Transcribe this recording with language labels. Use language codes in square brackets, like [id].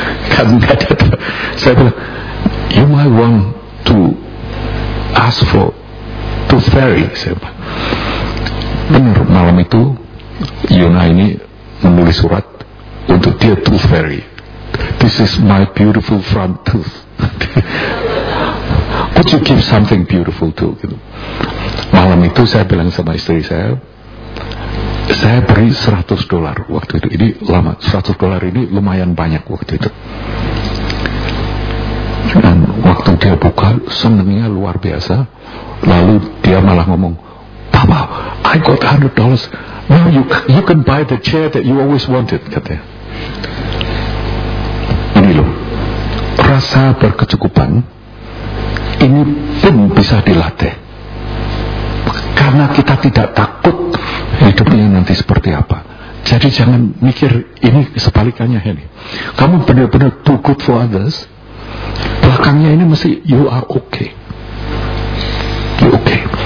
[id] Kan ada, saya bilang, [en] you might want to ask for to fairy. [id] Benar, malam itu Yuna ini menulis surat untuk dia [en] to fairy. This is my beautiful front tooth. Could you give something beautiful too? [id] Gitu. Malam itu saya bilang sama istri saya, saya beri $100 waktu itu. Ini lama, $100 ini lumayan banyak waktu itu. Dan waktu dia buka, senangnya luar biasa. Lalu dia malah ngomong, Papa, [en] I got $100. Now you can buy the chair that you always wanted, [id] katanya. Ini loh, rasa berkecukupan, ini pun bisa dilatih. Karena kita tidak takut hidupnya nanti seperti apa. Jadi jangan mikir ini sebalikannya. Ini. Kamu benar-benar [en] too good for others. [id] Belakangnya ini mesti [en] you are okay. You okay.